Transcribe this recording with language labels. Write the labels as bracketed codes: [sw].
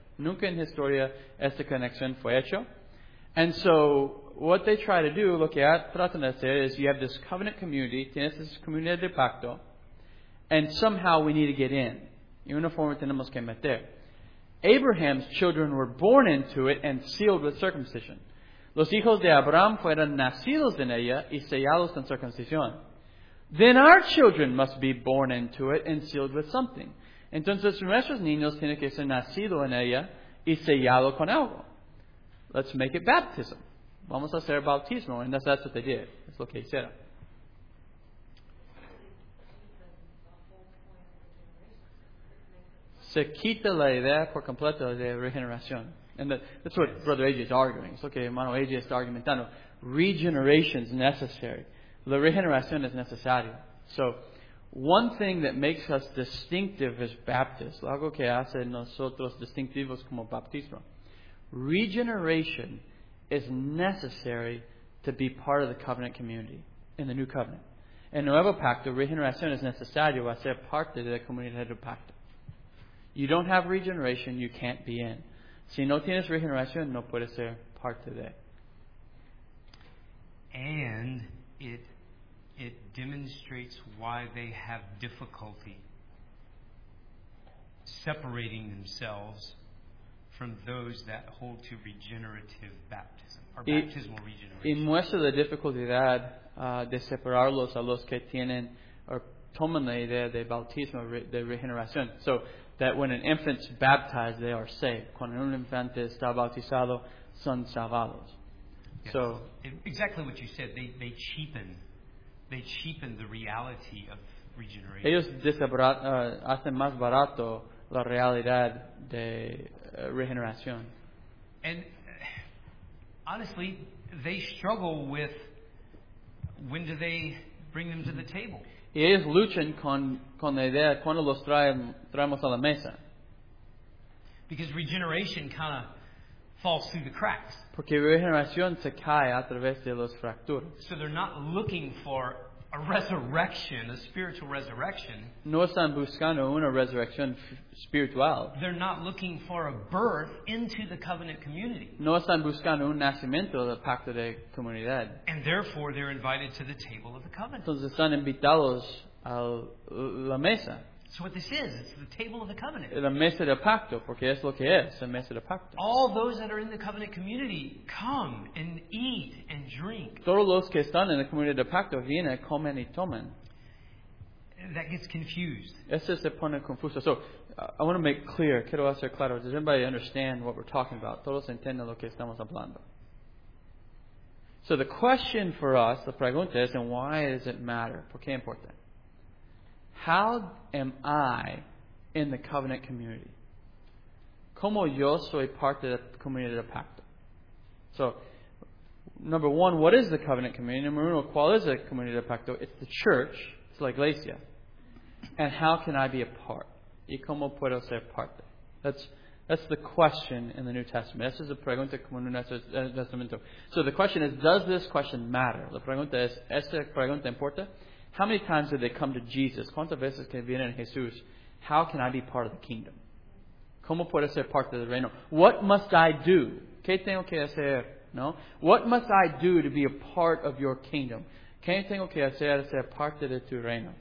[es] Nunca en historia esta conexión fue hecho. [en] And so, what they try to do, [es] lo que tratan de hacer, [en] is you have this covenant community, [es] tienes this comunidad de pacto, [en] and somehow we need to get in. [es] Y una forma tenemos que meter. [en] Abraham's children were born into it and sealed with circumcision. [es] Los hijos de Abraham fueron nacidos en ella y sellados con circuncisión. [en] Then our children must be born into it and sealed with something. [es] Entonces nuestros niños tienen que ser nacidos en ella y sellados con algo. [en] Let's make it baptism. [es] Vamos a hacer bautismo. [en] And that's what they did. That's [es] lo que hicieron. Se quita la idea por completo de regeneración. [en] And that's what Brother AJ is arguing. It's [es] lo que hermano AJ está argumentando. [en] Regeneration is necessary. [es] La regeneración es necesaria. [en] So, one thing that makes us distinctive as Baptists, [es] algo que hace nosotros distintivos como bautismo, [en] regeneration is necessary to be part of the covenant community in the new covenant. [es] En nuevo pacto, regeneración es necesario a ser parte de la comunidad del pacto. [en] You don't have regeneration, you can't be in. [es] Si no tienes regeneración, no puedes ser parte de. [en] And it demonstrates why they have difficulty separating themselves from those that hold to regenerative baptism, or baptismal regeneration. [es] Y muestra la dificultad de separarlos a los que tienen o toman la idea de bautismo de regeneración. [en] So, that when an infant's baptized, they are saved. [es] Cuando un infante está bautizado, son salvados. [en] Yes. So exactly what you said. They cheapen the reality of regeneration. [es] Ellos hacen más barato la realidad de regeneración. [en] And honestly, they struggle with when do they bring them to the table. [es] Y ellos luchan con la idea de cuando los traemos a la mesa. [en] Because regeneration kind of falls through the cracks. [es] Porque regeneración se cae a través de las fracturas. [en] So they're not looking for a resurrection, a spiritual resurrection. [es] No están buscando una resurrección espiritual. [en] They're not looking for a birth into the covenant community. [es] No están buscando un nacimiento del pacto de comunidad. [en] And therefore, they're invited to the table of the covenant. [es] Entonces están invitados a la mesa. [en] So what this is, it's the table of the covenant. [es] La mesa del pacto, porque es lo que es, la mesa del pacto. [en] All those that are in the covenant community come and eat and drink. [es] Todos los que están en la comunidad del pacto vienen, comen y toman. [en] That gets confused. [es] Eso se pone confuso. [en] So, I want to make clear, [es] quiero hacer claro, [en] does anybody understand what we're talking about? [es] Todos entienden lo que estamos hablando. [en] So the question for us, the pregunta is, and why does it matter? [es] ¿Por qué importa? [en] How am I in the covenant community? [es] ¿Cómo yo soy parte de la comunidad del pacto? [en] So, number one, what is the covenant community? [es] Number uno, ¿cuál es la comunidad del pacto? [en] It's the church. It's [es] la iglesia. [en] And how can I be a part? [es] ¿Y cómo puedo ser parte? [en] That's the question in the New Testament. [es] Esa es la pregunta como en el Nuevo Testamento. [en] So the question is, does this question matter? [es] La pregunta es, ¿esta pregunta importa? [en] How many times did they come to Jesus? [es] ¿Cuántas veces que vienen a Jesús? [en] How can I be part of the kingdom? [es] ¿Cómo puedo ser parte del reino? [en] What must I do? [es] ¿Qué tengo que hacer? ¿No? [en] What must I do to be a part of your kingdom? [es] ¿Qué tengo que hacer ser parte de tu reino?